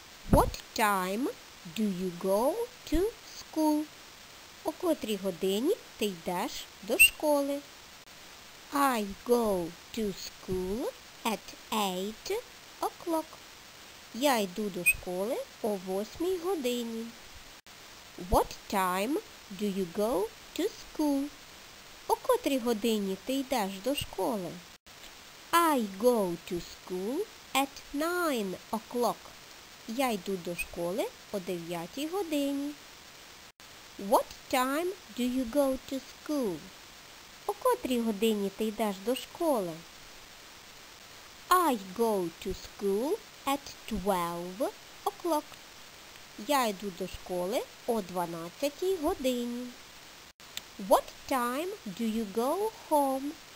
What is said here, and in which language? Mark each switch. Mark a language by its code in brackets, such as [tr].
[en] What time do you go to school? [uk] О котрій годині ти йдеш до школи? [en] I go to school at 8 o'clock. [uk] Я йду до школи о 8 годині. [en] What time do you go to school? [uk] О котрій годині ти йдеш до школи? [en] I go to school at 9 o'clock. [uk] Я йду до школи о 9 годині. [en] What time do you go to school? [uk] О котрій годині ти йдеш до школи? [en] I go to school at 12 o'clock. [uk] Я йду до школи о 12 годині. [en] What time do you go home?